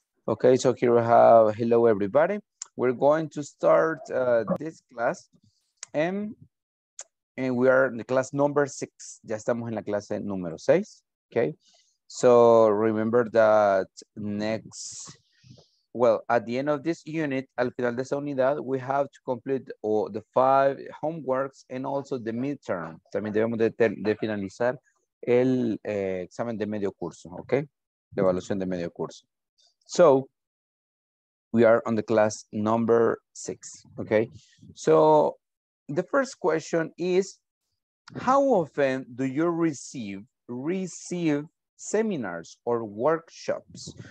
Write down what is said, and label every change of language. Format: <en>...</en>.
<en>Okay, so here we have, hello everybody. We're going to start this class and we are in the class number 6.</en> <es>Ya estamos en la clase número 6.</es> <en>Okay. So remember that next, well, at the end of this unit,</en> <es>al final de esa unidad,</es> <en>we have to complete the 5 homeworks and also the midterm.</en> <es>También debemos de finalizar el examen de medio curso, okay? La evaluación de medio curso.</es> <en>So, we are on the class number 6, okay? So, the first question is, how often do you receive seminars or workshops?</en>